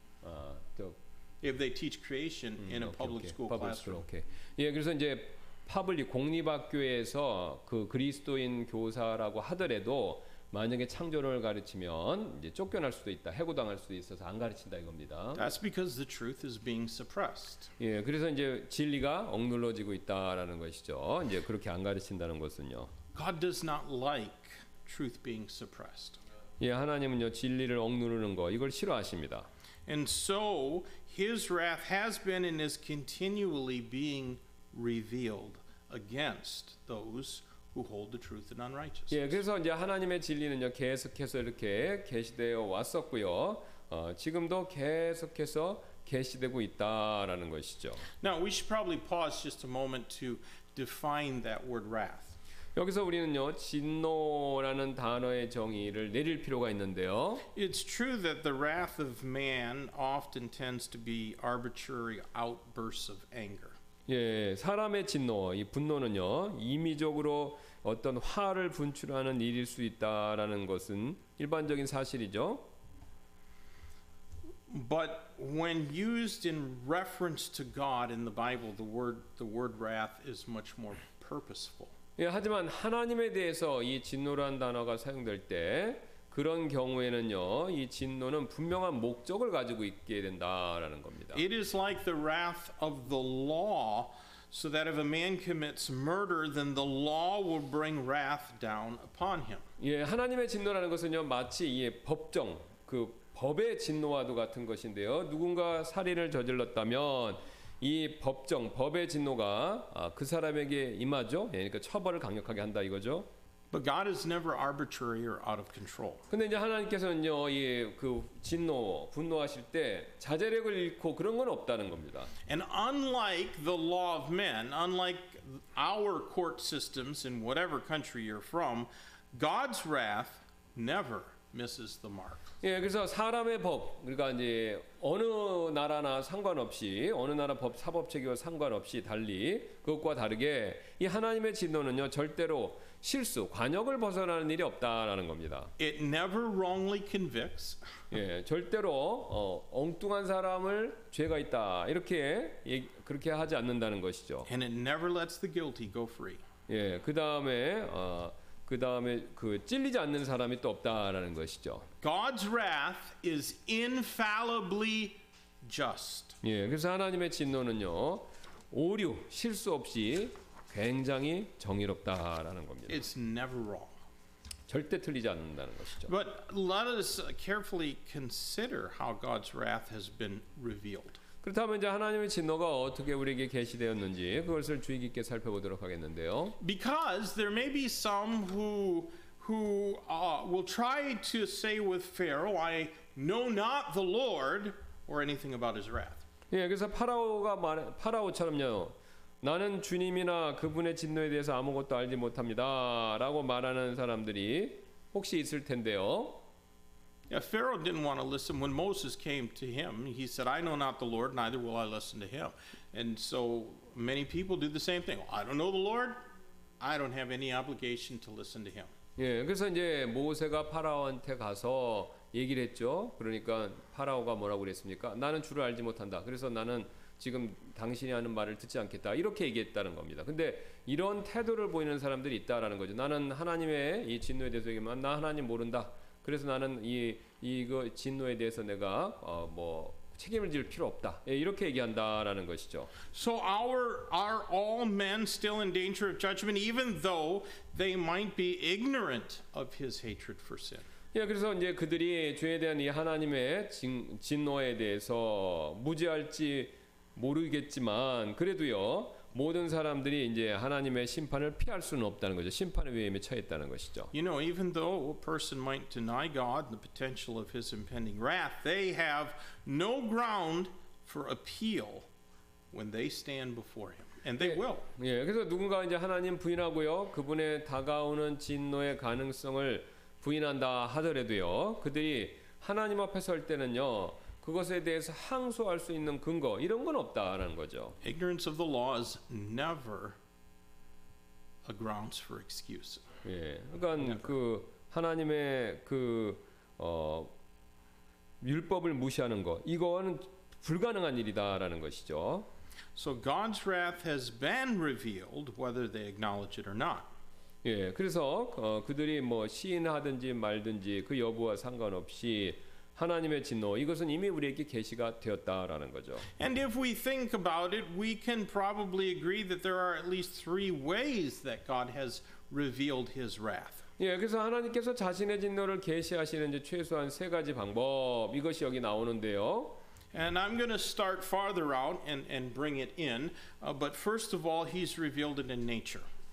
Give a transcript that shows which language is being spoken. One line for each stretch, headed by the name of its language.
Korean: 아, 또
English: if they teach creation in a public school classroom.
Korean: 오케이. 예, 그래서 이제 퍼블릭 공립학교에서 그 그리스도인 교사라고 하더라도 만약에 창조론을 가르치면 이제 쫓겨날 수도 있다, 해고당할 수도 있어서 안 가르친다 이겁니다.
English: That's because the truth is being suppressed.
Korean: 예, 그래서 이제 진리가 억눌러지고 있다라는 것이죠. 이제 그렇게 안 가르친다는 것은요.
English: God does not like truth being suppressed.
Korean: 예, 하나님은요 진리를 억누르는 거 이걸 싫어하십니다.
English: And so His wrath has been and is continually being revealed against those who hold the truth in unrighteousness.
Korean: 예, 그래서 이제 하나님의 진리는요 계속해서 이렇게 계시되어 왔었고요. 지금도 계속해서 계시되고 있다라는 것이죠.
English: Now we should probably pause just a moment to define that word wrath.
Korean: 여기서 우리는요 진노라는 단어의 정의를 내릴 필요가 있는데요.
English: It's true that the wrath of man often tends to be arbitrary outbursts of anger.
Korean: 예, 사람의 진노, 이 분노는요, 임의적으로 어떤 화를 분출하는 일일 수 있다라는 것은 일반적인 사실이죠.
English: But when used in reference to God in the Bible, the word wrath is much more purposeful.
Korean: 예, 하지만 하나님에 대해서 이 진노라는 단어가 사용될 때 그런 경우에는요, 이 진노는 분명한 목적을 가지고 있게 된다라는 겁니다.
English: It is like the wrath of the law, so that if a man commits murder, then the law will bring wrath down upon him.
Korean: 예, 하나님의 진노라는 것은요, 마치 이 법정, 그 법의 진노와도 같은 것인데요, 누군가 살인을 저질렀다면 이 법정, 법의 진노가 그 사람에게 임하죠. 예, 그러니까 처벌을 강력하게 한다 이거죠.
English: But God is never arbitrary or out of control.
Korean: 근데 이제 하나님께서는요, 이 그 진노, 분노하실 때 자제력을 잃고 그런 건 없다는 겁니다.
English: And unlike the law of men, unlike our court systems in whatever country you're from, God's wrath never misses the mark.
Korean: 예, 그래서 사람의 법, 그러니까 이제 어느 나라나 상관없이 어느 나라 법 사법 체계와 상관없이 달리 그것과 다르게 이 하나님의 진노는요 절대로 실수, 관역을 벗어나는 일이 없다라는 겁니다.
English: It never wrongly convicts.
Korean: 예, 절대로 엉뚱한 사람을 죄가 있다 이렇게 그렇게 하지 않는다는 것이죠.
English: And it never lets the guilty go free.
Korean: 예, 그 다음에 그 찔리지 않는 사람이 또 없다라는 것이죠.
English: God's wrath is infallibly just.
Korean: 예, 그래서 하나님의 진노는요 오류, 실수 없이 굉장히 정의롭다라는 겁니다.
English: It's never wrong.
Korean: 절대 틀리지 않는다는 것이죠.
English: But let us carefully consider how God's wrath has been revealed.
Korean: 그렇다면 이제 하나님의 진노가 어떻게 우리에게 계시되었는지 그것을 주의 깊게 살펴보도록 하겠는데요.
English: Because there may be some who will try to say with Pharaoh, I know not the Lord or anything about His wrath.
Korean: 예, 그래서 파라오처럼요. 나는 주님이나 그분의 진노에 대해서 아무것도 알지 못합니다라고 말하는 사람들이 혹시 있을 텐데요.
English: Yeah, Pharaoh didn't want to listen when Moses came to him. He said, "I know not the Lord, neither will I listen to him." And so many people do the same thing. I don't know the Lord. I don't have any obligation to listen to him.
Korean: 예, 그래서 이제 모세가 파라오한테 가서 얘기를 했죠. 그러니까 파라오가 뭐라고 그랬습니까? 나는 주를 알지 못한다. 그래서 나는 지금 당신이 하는 말을 듣지 않겠다 이렇게 얘기했다는 겁니다. 근데 이런 태도를 보이는 사람들이 있다라는 거죠. 나는 하나님의 이 진노에 대해서 얘기만 나 하나님 모른다. 그래서 나는 이거 진노에 대해서 내가 뭐 책임을 질 필요 없다. 예, 이렇게 얘기한다라는 것이죠.
English: So are all men still in danger of judgment, even though they might be ignorant of His hatred for sin?
Korean: 예, 그래서 이제 그들이 죄에 대한 이 하나님의 진노에 대해서 무지할지 모르겠지만 그래도요 모든 사람들이 이제 하나님의 심판을 피할 수는 없다는 거죠. 심판의 위험에 처했다는 것이죠.
English: You know, even though a person might deny God the potential of His impending wrath, they have no ground for appeal when they stand before Him, and they will.
Korean: 예, 그래서 누군가 이제 하나님 부인하고요 그분의 다가오는 진노의 가능성을 부인한다 하더라도요 그들이 하나님 앞에 설 때는요 그것에 대해서 항소할 수 있는 근거 이런 건 없다라는 거죠.
English: Ignorance of the law is never a grounds for excuse.
Korean: 예, 그러니까
English: never.
Korean: 그 하나님의 그 율법을 무시하는 거 이거는 불가능한 일이다라는 것이죠.
English: So God's wrath has been revealed, whether they acknowledge it or not.
Korean: 예, 그래서 그들이 뭐 시인하든지 말든지 그 여부와 상관없이 하나님의 진노 이것은 이미 우리에게 계시가 되었다라는 거죠.
English: And if we think about it, we can probably agree that there are at least three ways that God has revealed His wrath.
Korean: 예, 그래서 하나님께서 자신의 진노를 계시하시는 이제 최소한 세 가지 방법 이것이 여기 나오는데요.
English: And I'm going to start farther out and bring it in. But first of all, He's revealed it in nature.